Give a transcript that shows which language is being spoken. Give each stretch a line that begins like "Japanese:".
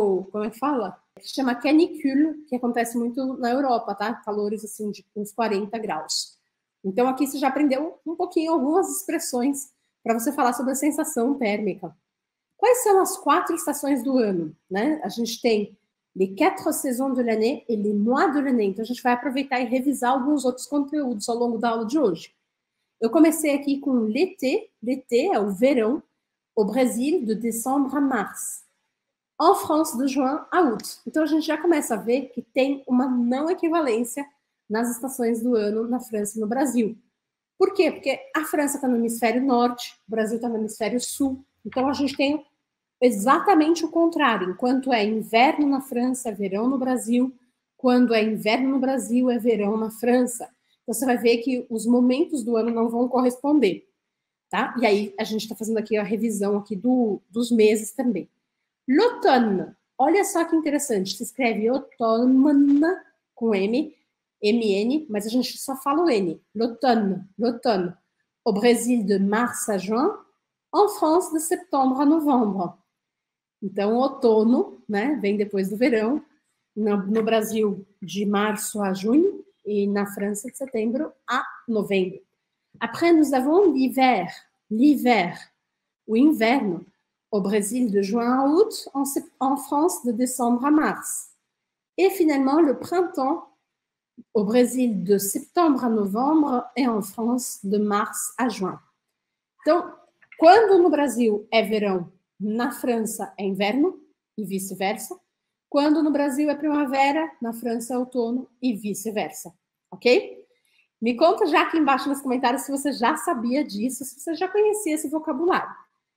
Portuguese: Como é que fala? Que chama canicule, que acontece muito na Europa, tá? Calores assim de uns 40 graus. Então aqui você já aprendeu um pouquinho algumas expressões para você falar sobre a sensação térmica. Quais são as quatro estações do ano, né? A gente tem
French: les quatre saisons de l'année
Portuguese: et les mois de l'année. Então a gente vai aproveitar e revisar alguns outros conteúdos ao longo da aula de hoje. Eu comecei aqui com l'été. L'été é o verão, o Brasil, de décembre a março.
French: En France, de juin à août.
Portuguese: Então a gente já começa a ver que tem uma não equivalência nas estações do ano na França e no Brasil. Por quê? Porque a França está no hemisfério norte, o Brasil está no hemisfério sul. Então a gente tem exatamente o contrário. Enquanto é inverno na França, é verão no Brasil. Quando é inverno no Brasil, é verão na França. Então você vai ver que os momentos do ano não vão corresponder, tá? E aí a gente está fazendo aqui a revisão aqui dos meses também. L'automne, olha só que interessante, se escreve automne com M, MN, mas a gente só fala o N.
French: L'automne, l'automne. Au Brésil de mars à juin, en France de septembre à novembre.
Portuguese: Então, outono, né, vem depois do verão, no Brasil, de março a junho, e na França, de setembro a novembro.
French: Après, nous avons l'hiver,
Portuguese: o inverno,
French: au Brésil, de juin à août, en France, de décembre à mars. Et finalement, le printemps, au Brésil, de septembre à novembro, et en France, de mars à juin.
Portuguese: Então, quando no Brasil é verão, na França é inverno e vice-versa. Quando no Brasil é primavera, na França é outono e vice-versa. Ok? Me conta já aqui embaixo nos comentários se você já sabia disso, se você já conhecia esse vocabulário.